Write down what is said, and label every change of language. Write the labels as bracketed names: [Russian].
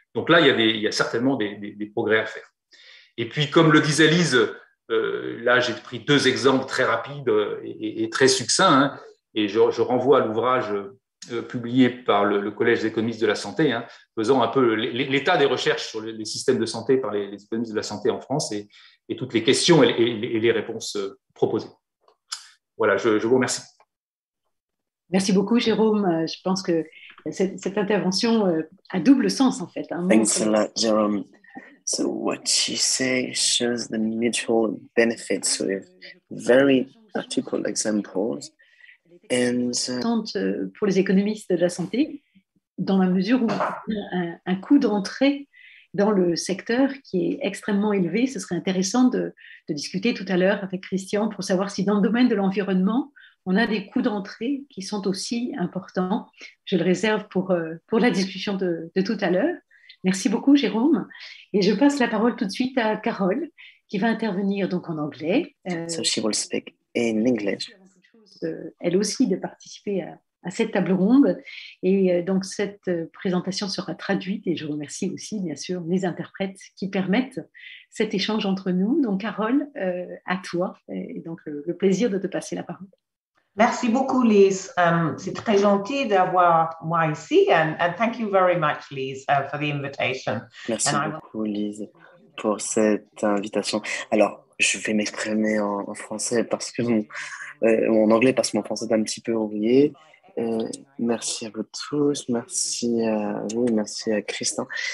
[French] Donc là, il y a certainement des progrès à faire. Et puis, comme le disait Lise, là, j'ai pris deux exemples très rapides et très succincts, hein, et je renvoie à l'ouvrage publié par le Collège des économistes de la santé, hein, faisant un peu l'état des recherches sur les systèmes de santé par les économistes de la santé en France et toutes les questions et les réponses proposées. Voilà, je vous remercie. Merci beaucoup, Jérôme. Je pense que cette intervention a double sens, en fait. [English] Hein, thanks a lot, Jérôme. So what you say shows the mutual benefits with very practical examples. And [French] pour les économistes de la santé, dans la mesure où un coût d'entrée dans le secteur qui est extrêmement élevé, ce serait intéressant de discuter tout à l'heure avec Christian pour savoir si dans le domaine de l'environnement, on a des coûts d'entrée qui sont aussi importants. Je le réserve pour la discussion de tout à l'heure. Merci beaucoup, Jérôme. Et je passe la parole tout de suite à Carole, qui va intervenir donc en anglais. [English] So she will speak in English. [French] Elle aussi de participer à cette table ronde. Et donc, cette présentation sera traduite et je remercie aussi, bien sûr, les interprètes qui permettent cet échange entre nous. Donc, Carole, à toi. Et donc, le plaisir de te passer la parole. Merci beaucoup, Lise. C'est très gentil d'avoir moi ici. [English] And thank you very much, Lise, for the invitation. [French] Merci beaucoup, Lise, pour cette invitation. Alors, je vais m'exprimer en français parce que en anglais parce que mon français est un petit peu rouillé. Merci à vous tous, merci à vous, merci à Christian.